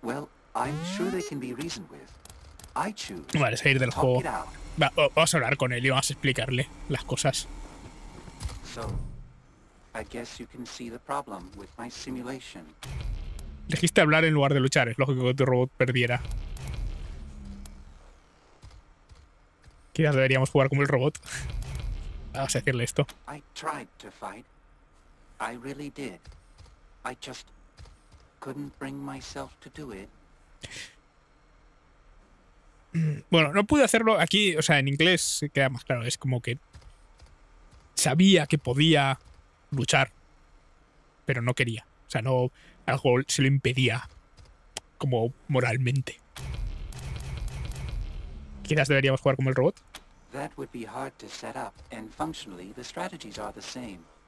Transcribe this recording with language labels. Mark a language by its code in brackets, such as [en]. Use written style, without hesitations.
[en] Well, I'm sure they can be reasoned with. I choose. [es] Vale, salir del juego. Vamos a hablar con él y vamos a explicarle las cosas. [en] So, I guess you can see the problem with my simulation. [es] Elegiste hablar en lugar de luchar, es lógico que tu robot perdiera. Quizás deberíamos jugar como el robot. Vamos a decirle esto. [en] I tried to fight. I really did. I just couldn't bring myself to do it. [es] Bueno, no pude hacerlo aquí, o sea, en inglés queda más claro, es como que sabía que podía luchar, pero no quería. O sea, no, algo se lo impedía, como moralmente. Quizás deberíamos jugar como el robot. [en] That would be hard to set up, and functionally the strategies are the same.